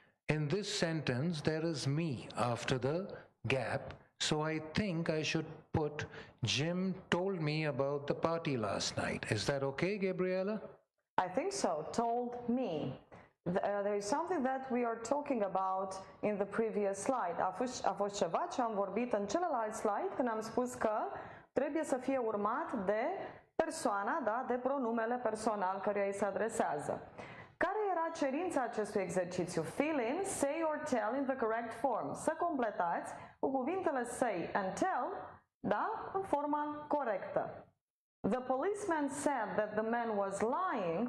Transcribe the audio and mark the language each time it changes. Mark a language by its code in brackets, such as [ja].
[en] In this sentence, there is me after the gap, so I think I should put Jim told me about the party last night. Is that okay, Gabriella? I think so. Told me. There is something that we are talking about in the previous slide. [ro] A fost ceva ce am vorbit în celălalt slide când am spus că trebuie să fie urmat de persoana, da, de pronumele personal căruia îi se adresează. Care era cerința acestui exercițiu? [en] Fill in, say or tell in the correct form. [ro] Să completați cu cuvintele say and tell, da, în forma corectă. [en] The policeman said that the man was lying.